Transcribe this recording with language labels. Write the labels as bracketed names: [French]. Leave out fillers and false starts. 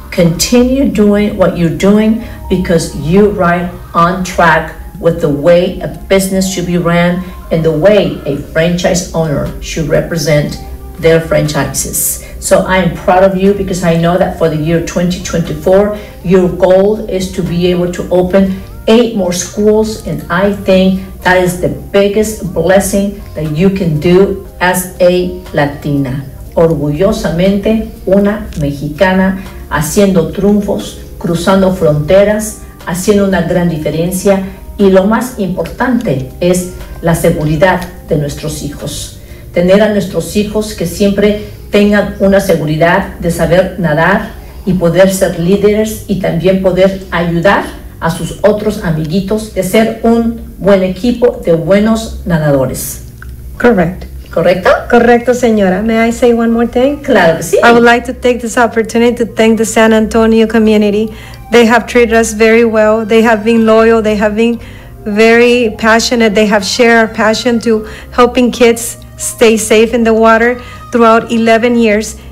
[English] Continue doing what you're doing because you're right on track with the way a business should be ran and the way a franchise owner should represent their franchises. So I am proud of you because I know that for the year 2024, your goal is to be able to open 8 more schools. And I think that is the biggest blessing that you can do as a Latina. [Spanish] Orgullosamente, una Mexicana, haciendo triunfos, cruzando fronteras, haciendo una gran diferencia. Y lo más importante es la seguridad de nuestros hijos. Tener a nuestros hijos que siempre tengan una seguridad de saber nadar y poder ser líderes y también poder ayudar a sus otros amiguitos de ser un buen equipo de buenos nadadores. [English] Correct. [Spanish] ¿Correcto? Correcto, señora. [English] May I say one more thing? [Spanish] Claro, sí. [English] I would like to take this opportunity to thank the San Antonio community. They have treated us very well. They have been loyal. They have been very passionate. They have shared our passion to helping kids stay safe in the water throughout 11 years.